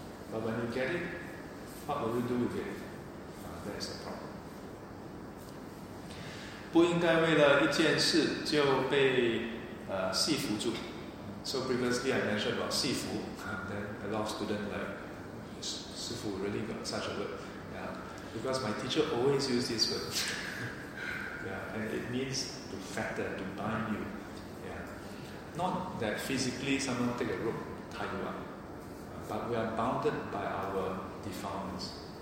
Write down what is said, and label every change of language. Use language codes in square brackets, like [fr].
[en] But when you get it, what will you do with it? That is the problem. [zh] 不应该为了一件事就被系缚住。 [en] So previously I mentioned about 系缚。 Then a lot of students like, Sifu really got such a word. Yeah. Because my teacher always used this word. Yeah. And it means to fetter, to bind you. Yeah. Not that physically someone take a rope, tie you up. But we are bounded by our defilements.